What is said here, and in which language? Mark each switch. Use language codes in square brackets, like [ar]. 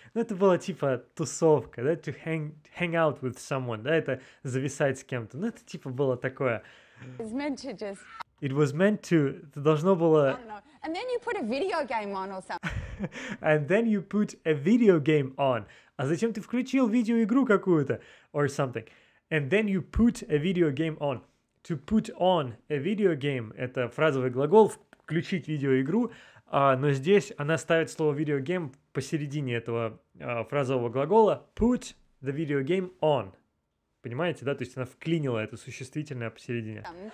[ru] Ну, это было типа тусовка, да, [en] to hang out with someone, [ru] да, это зависать с кем-то. Ну, это типа было такое. [en] It was meant to, [ru] это должно было... [en] I don't know. And then you put a video game on or something. And then you put a video game on. [ru] А зачем ты включил видеоигру какую-то? [en] Or something. And then you put a video game on. To put on a video game [ru] — это фразовый глагол «включить видеоигру», но здесь она ставит слово «video game» посередине этого фразового глагола [en] «put the video game on». [ru] Понимаете, да? То есть она вклинила это существительное посередине.